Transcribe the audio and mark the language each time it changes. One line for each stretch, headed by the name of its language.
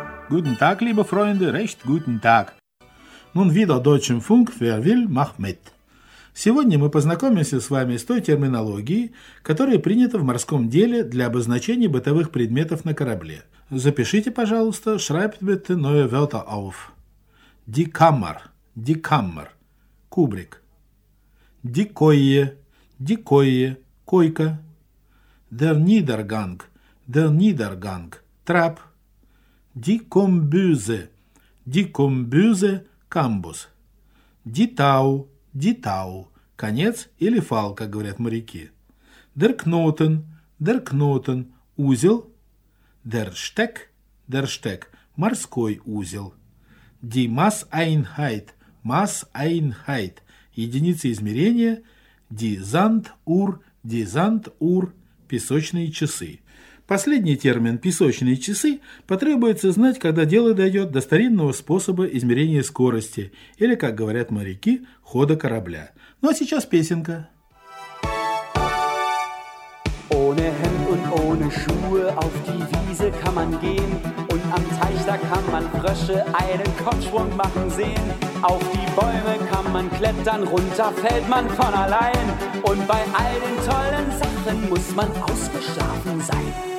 German: Guten Tag, liebe Freunde, recht guten Tag. Nun wieder Deutschen Funk, wer will, macht mit.
Russian: Сегодня мы познакомимся с вами с той терминологией, которая принята в морском деле для обозначения бытовых предметов на корабле. Запишите, пожалуйста,
German: schreibt bitte neue Wörter auf. Die Kammer, кубрик. Die Koje, койка. Der Niedergang, трап. Die Kombüse, камбус.
Russian: Die Tau, конец или фал, как говорят моряки.
German: Der Knoten, узел. Der Steck, морской узел. Mass Einheit, единица измерения. Die Sand Uhr, песочные часы.
Russian: Последний термин «песочные часы» потребуется знать, когда дело дойдет до старинного способа измерения скорости или, как говорят моряки, хода корабля. Ну а сейчас песенка.
German: Ohne Hemd und ohne Schuhe auf die Wiese kann man gehen und am Teich, da kann man Frösche einen Kopfschwung machen sehen. Auf die Bäume kann man klettern, runter fällt man von allein und bei all den tollen Sachen muss man ausgeschlafen sein.